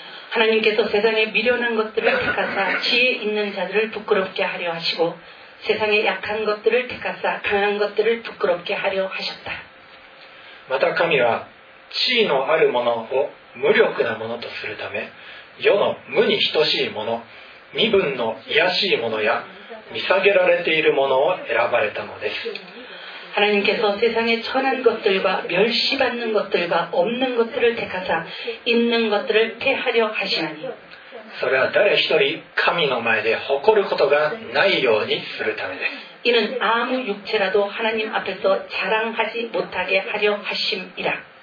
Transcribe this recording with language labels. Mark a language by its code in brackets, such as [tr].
[ko] 하나님께서 세상의 미련한 것들을 택하사 지혜 있는 자들을 부끄럽게 하려 하시고 세상의 약한 것들을 택하사 강한 것들을 부끄럽게 하려 하셨다. [ja] また神は地位のあるものを無力なものとするため世の無に等しいもの身分の卑しいものや見下げられているものを選ばれたのです. [ko] 하나님께서 세상에 천한 것들과 멸시받는 것들과 없는 것들을 택하사 있는 것들을 폐하려 하시나니 [ja] それは誰一人神の前で誇ることがないようにするためです. [ko] 이는 아무 육체라도 하나님 앞에서 자랑하지 못하게 하려 하심이라.